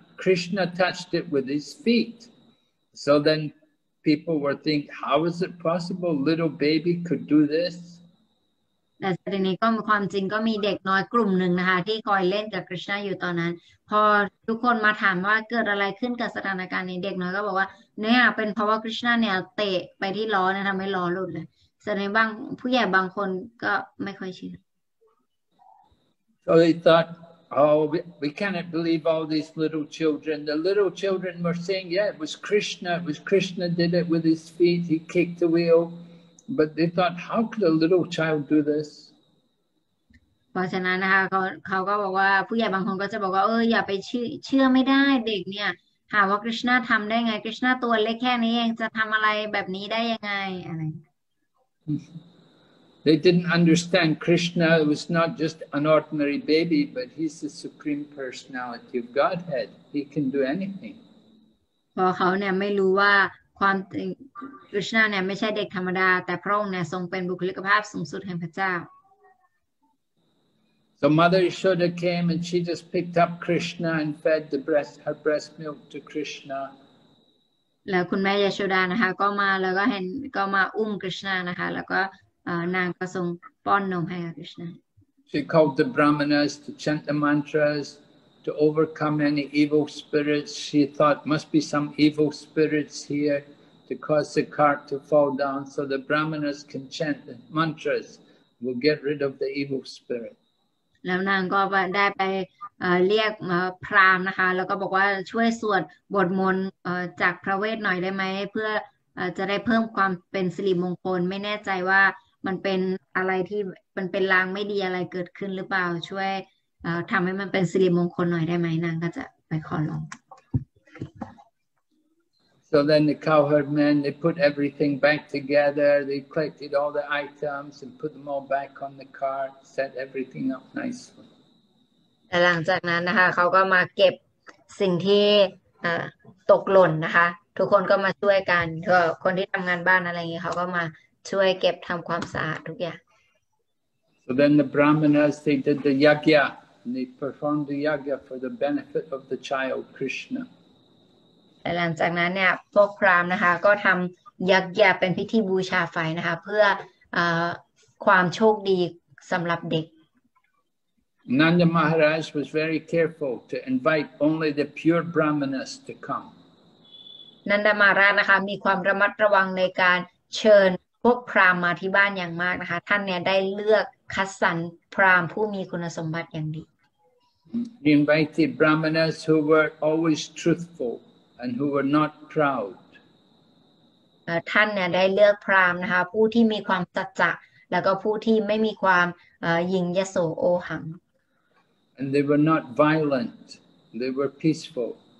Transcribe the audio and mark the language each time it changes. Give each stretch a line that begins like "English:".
English: Krishna touched it with his feet. So then people were thinking, how is it possible little baby could do this?
Thai: แต่ทีนี้ก็ความจริงก็มีเด็กน้อยกลุ่มหนึ่งนะคะที่คอยเล่นกับคริชนาอยู่ตอนนั้นพอทุกคนมาถามว่าเกิดอะไรขึ้นกับสถานการณ์นี้เด็กน้อยก็บอกว่าเนี่ยเป็นเพราะว่าคริชนาเนี่ยเตะไปที่ล้อเนี่ยทำให้ล้อหลุดเลยแสดงบางผู้ใหญ่บางคนก็ไม่ค่อยเชื่อ
English: So they thought, oh, we cannot believe all these little children. The little children were saying, yeah, it was Krishna. It was Krishna did it with his feet. He kicked the wheel. But they thought, how could a little child do this?
Thai: เพราะฉะนั้นนะคะเขาก็บอกว่าผู้ใหญ่บางคนก็จะบอกว่าเอออย่าไปเชื่อไม่ได้เด็กเนี่ยหาว่าคริชนาทำได้ไงคริชนาตัวเล็กแค่นี้เองจะทำอะไรแบบนี้ได้ยังไงอะไร
English: They didn't understand Krishna. It was not just an ordinary baby, but he's the supreme personality of Godhead. He can do anything.
Thai: เพราะเขาเนี่ยไม่รู้ว่าความคริชนาเนี่ยไม่ใช่เด็กธรรมดาแต่พระองค์เนี่ยทรงเป็นบุคลิกภาพสูงสุดแห่งพระเจ้า
English: So Mother Yashoda came and she just picked up Krishna and fed the breast her breast milk to Krishna
Thai: แล้วคุณแม่ยาโชดานะคะก็มาแล้วก็เห็นก็มาอุ้มคริชนานะคะแล้วก็นางก็ทรงป้อนนมให้กับคริชนา
English: She called the brahmanas to chant the mantras to overcome any evil spirits she thought must be some evil spirits here to cause the cart to fall down so the brahmanas can chant the mantras will get rid of the evil spirit
Thai: แล้วนางก็ได้ไปเรียกพราหมณ์นะคะแล้วก็บอกว่าช่วยสวดบทมนต์จากพระเวทหน่อยได้ไหมเพื่อจะได้เพิ่มความเป็นสิริมงคลไม่แน่ใจว่ามันเป็นอะไรที่มันเป็นลางไม่ดีอะไรเกิดขึ้นหรือเปล่าช่วยทำให้มันเป็นสิริมงคลหน่อยได้ไหมนางก็จะไปขอร้อง
English: So then the cowherd men they put everything back together they collected all the items and put them all back on the cart set everything up nicely
Thai: หลังจากนั้นนะคะเขาก็มาเก็บสิ่งที่ตกหล่นนะคะทุกคนก็มาช่วยกันคนที่ทำงานบ้านอะไรอย่างเงี้ยเขาก็มาช่วยเก็บทำความสะอาดทุกอย่าง
English: So then the brahmanas they did the yagya and they performed the yagya for the benefit of the child Krishna.
Thai: หลังจากนั้นเนี่ยพวกพราหมณ์นะคะก็ทำยักษ์ยาเป็นพิธีบูชาไฟนะคะเพื่อความโชคดีสำหรับเด็ก
English: Nanda Maharaj was very careful to invite only the pure brahmanas to come.
Thai: Nanda Maharaj นะคะมีความระมัดระวังในการเชิญพวกพราหมณ์มาที่บ้านอย่างมากนะคะท่านเนี่ยได้เลือกคัดสรรพราหมณ์ผู้มีคุณสมบัติอย่างดี
English: He invited brahmanas who were always truthful and who were not proud
Thai: ท่านเนี่ยได้เลือกพราหมณ์นะคะผู้ที่มีความสัจจะแล้วก็ผู้ที่ไม่มีความหยิ่งยโสโอหัง
English: And they were not violent they were peaceful